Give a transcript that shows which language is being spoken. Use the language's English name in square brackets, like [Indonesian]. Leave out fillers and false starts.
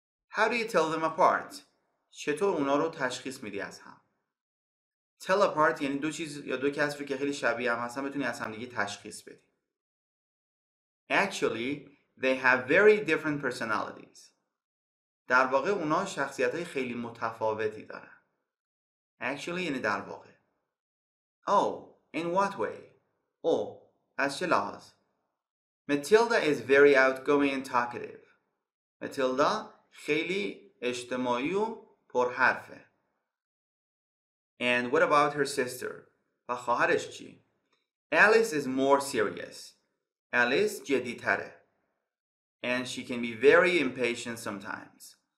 [English] How do you tell them apart؟ [Persian] چطور اونا رو تشخیص میدی از هم؟ Tell apart یعنی دو چیز یا دو کس رو که خیلی شبیه هم هستن بتونی از هم دیگه تشخیص بدی. [English] Actually, they have very different personalities. [Persian] در واقع اونا شخصیت های خیلی متفاوتی دارن. [English] Actually [Persian] یعنی در واقع. [English] Oh, in what way? Oh, [Persian] از چه لحاظ؟ [English] Matilda is very outgoing and talkative. [Persian] Matilda خیلی اجتماعی و پرحرفه. [English] And what about her sister? [Persian] و خواهرش چی؟ [English] Alice is more serious. Alice [Persian] جدی‌تره. [English] And she can be very impatient sometimes.